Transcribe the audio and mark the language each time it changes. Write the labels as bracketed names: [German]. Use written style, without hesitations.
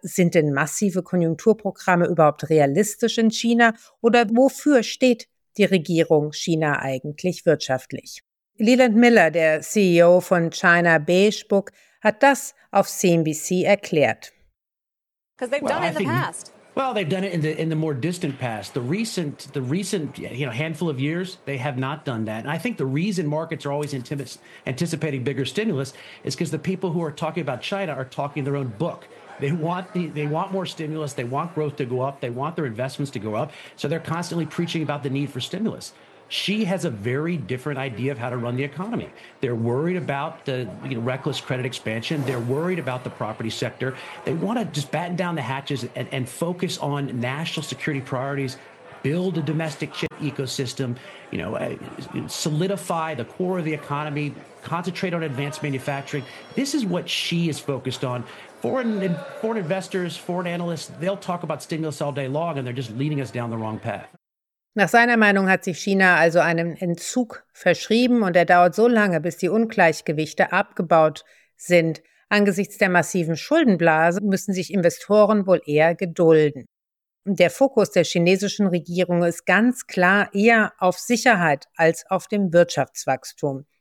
[German] Sind denn massive Konjunkturprogramme überhaupt realistisch in China? Oder wofür steht die Regierung China eigentlich wirtschaftlich? Leland Miller, der CEO von China Beige Book, hat das auf CNBC erklärt. [English] Because they've done it in the past. Well, they've done it in the more distant past. The recent handful of years, they have not done that. And I think the reason markets are always anticipating bigger stimulus is because the people who are talking about China are talking their own book. They want more stimulus. They want growth to go up. They want their investments to go up. So they're constantly preaching about the need for stimulus. She has a very different idea of how to run the economy. They're worried about the reckless credit expansion. They're worried about the property sector. They want to just batten down the hatches and focus on national security priorities, build a domestic chip ecosystem, solidify the core of the economy, concentrate on advanced manufacturing. This is what she is focused on. Foreign investors, foreign analysts, they'll talk about stimulus all day long, and they're just leading us down the wrong path. [German] Nach seiner Meinung hat sich China also einem Entzug verschrieben und er dauert so lange, bis die Ungleichgewichte abgebaut sind. Angesichts der massiven Schuldenblase müssen sich Investoren wohl eher gedulden. Der Fokus der chinesischen Regierung ist ganz klar eher auf Sicherheit als auf dem Wirtschaftswachstum.